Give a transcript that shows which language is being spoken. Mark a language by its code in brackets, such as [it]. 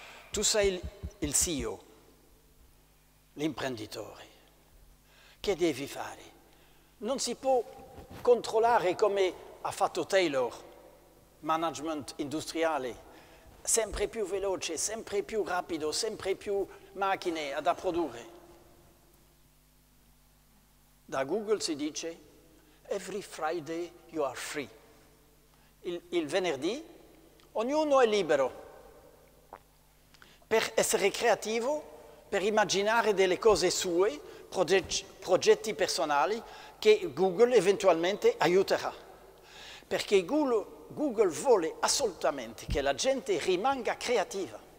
[it] Tu sei il CEO, l'imprenditore. Che devi fare? Non si può controllare come ha fatto Taylor, management industriale, sempre più veloce, sempre più rapido, sempre più macchine da produrre. [en] Da Google si dice every Friday you are free. [it] Il venerdì ognuno è libero per essere creativo, per immaginare delle cose sue, progetti personali che Google eventualmente aiuterà. Perché Google vuole assolutamente che la gente rimanga creativa.